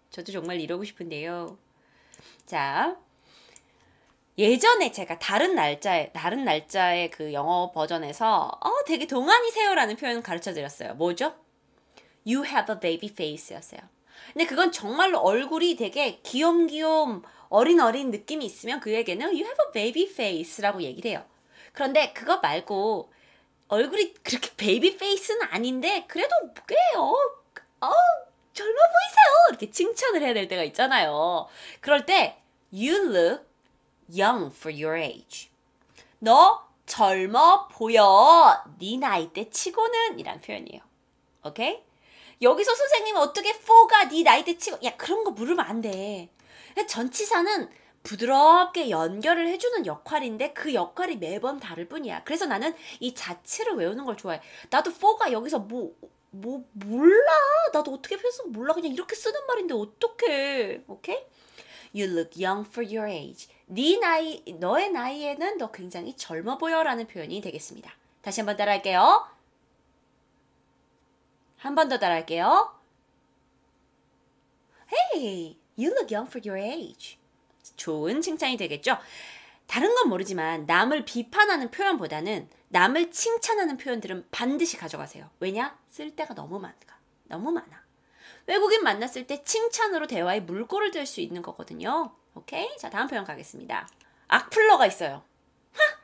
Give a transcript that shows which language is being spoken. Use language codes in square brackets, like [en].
[ko] 저도 정말 이러고 싶은데요. 자, 예전에 제가 다른 날짜에 그 영어 버전에서 되게 동안이세요라는 표현을 가르쳐드렸어요. 뭐죠? [en] You have a baby face였어요. [ko] 근데 그건 정말로 얼굴이 되게 귀염귀염 어린어린 느낌이 있으면 그에게는 [en] You have a baby face [ko] 라고 얘기를 해요. 그런데 그거 말고 얼굴이 그렇게 베이비 페이스는 아닌데 그래도 꽤 젊어 보이세요. 이렇게 칭찬을 해야 될 때가 있잖아요. 그럴 때 [en] you look young for your age. [ko] 너 젊어 보여. 네 나이 때 치고는 이란 표현이에요. 오케이? 여기서 선생님 어떻게 for가 네 나이 때 치고 야 그런 거 물으면 안 돼. 전치사는 부드럽게 연결을 해주는 역할인데 그 역할이 매번 다를 뿐이야. 그래서 나는 이 자체를 외우는 걸 좋아해. 나도 for가 여기서 뭐 몰라. 나도 어떻게 표현 몰라. 그냥 이렇게 쓰는 말인데 어떡해. 오케이? [en] You look young for your age. [ko] 네 나이, 너의 나이에는 너 굉장히 젊어 보여 라는 표현이 되겠습니다. 다시 한번 따라 할게요. 한 번 더 따라 할게요. [en] Hey, you look young for your age. [ko] 좋은 칭찬이 되겠죠? 다른 건 모르지만 남을 비판하는 표현보다는 남을 칭찬하는 표현들은 반드시 가져가세요. 왜냐? 쓸 데가 너무 많아. 외국인 만났을 때 칭찬으로 대화의 물꼬를 들 수 있는 거거든요. 오케이? 자, 다음 표현 가겠습니다. 악플러가 있어요. 하!